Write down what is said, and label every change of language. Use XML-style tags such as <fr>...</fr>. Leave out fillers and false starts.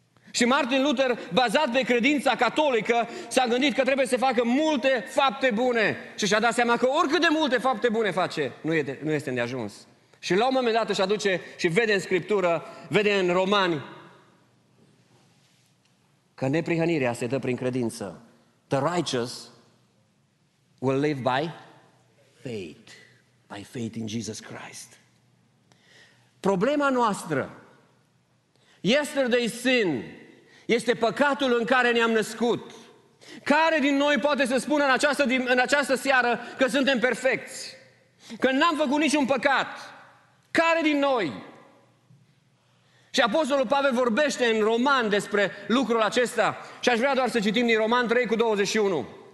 <ro>Și Martin Luther, bazat pe credința catolică, s-a gândit că trebuie să facă multe fapte bune și și-a dat seama că oricât de multe fapte bune face, nu este îndeajuns. Și la un moment dat își aduce și vede în Scriptură, vede în Romani, că neprihănirea se dă prin credință.</ro> <en>The righteous will live by faith. By faith in Jesus Christ.</en> <ro>Problema noastră,</ro> <en>yesterday's sin,</en> <ro>este păcatul în care ne-am născut. Care din noi poate să spună în această seară că suntem perfecți? Că n-am făcut niciun păcat? Care din noi? Și Apostolul Pavel vorbește în Roman despre lucrul acesta și aș vrea doar să citim din Roman 3:21.</ro>